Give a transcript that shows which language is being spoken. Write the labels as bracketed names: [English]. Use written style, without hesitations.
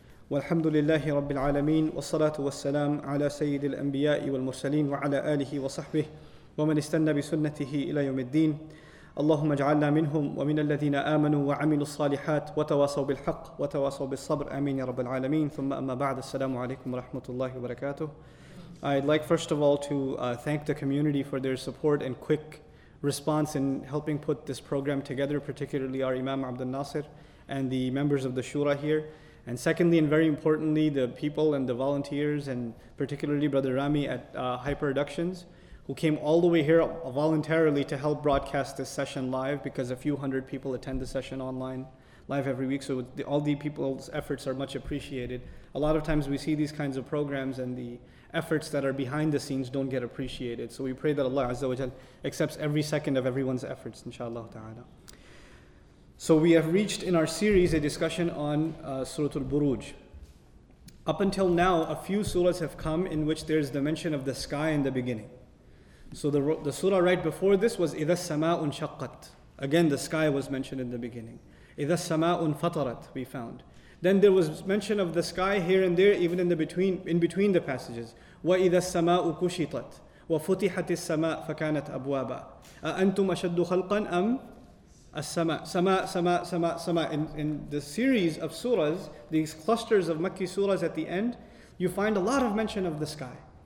[Arabic] والحمد لله رب العالمين والصلاة والسلام على سيد الأنبياء والمرسلين وعلى آله وصحبه ومن استنى بسنته إلى يوم الدين اللهم اجعلنا منهم ومن الذين آمنوا وعملوا الصالحات وتواصوا بالحق وتواصوا بالصبر آمين يا رب العالمين ثم أما بعد السلام عليكم ورحمة الله وبركاته. [English] I'd like first of all to thank the community for their support and quick response in helping put this program together, particularly our Imam Abdul Nasir and the members of the Shura here. And secondly, and very importantly, the people and the volunteers, and particularly Brother Rami at High Productions, who came all the way here voluntarily to help broadcast this session live, because a few hundred people attend the session online live every week. So all the people's efforts are much appreciated. A lot of times we see these kinds of programs and the efforts that are behind the scenes don't get appreciated. So we pray that Allah Azza wa Jal accepts every second of everyone's efforts, inshallah ta'ala. So we have reached in our series a discussion on Surah Al-Buruj. Up until now, a few surahs have come in which there's the mention of the sky in the beginning. So the surah right before this was [Arabic] إِذَا السَّمَاءُ انشَقَّتْ. [English] Again, the sky was mentioned in the beginning. [Arabic] إِذَا السَّمَاءُ انفَطَرَتْ, [English] we found. Then there was mention of the sky here and there, even in between the passages. [Arabic] وَإِذَا السَّمَاءُ كُشِطَتْ وَفُتِحَتِ السَّمَاءُ فَكَانَتْ أَبْوَابًا أَأَنْتُمْ أَشَدُّ خَلْقًا أَمْ السَّمَاءُ. [English] In the series of surahs, these clusters of Makki surahs at the end, you find a lot of mention of the sky.